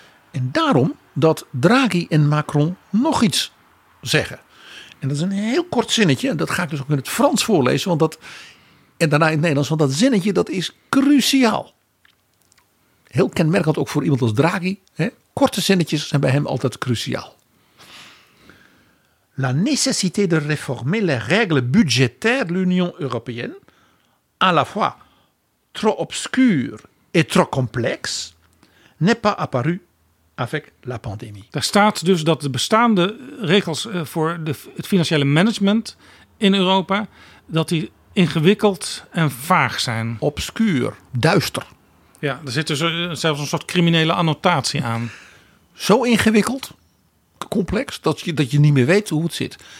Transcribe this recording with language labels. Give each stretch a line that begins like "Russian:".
Dutch: En daarom dat Draghi en Macron nog iets zeggen. En dat is een heel kort zinnetje. En dat ga ik dus ook in het Frans voorlezen. Want dat, en daarna in het Nederlands. Want dat zinnetje dat is cruciaal. Heel kenmerkend ook voor iemand als Draghi. Hè? Korte zinnetjes zijn bij hem altijd cruciaal.
French: La nécessité de réformer les règles budgétaires de l'Union européenne, à la fois trop obscure et trop complexe, n'est pas apparue avec la pandémie.
Dutch: Daar staat dus dat de bestaande regels voor het financiële management in Europa, dat die ingewikkeld en vaag zijn. Obscuur, duister. Ja, er zit dus zelfs een soort criminele annotatie aan. Zo ingewikkeld, complex, dat je niet meer weet hoe het zit.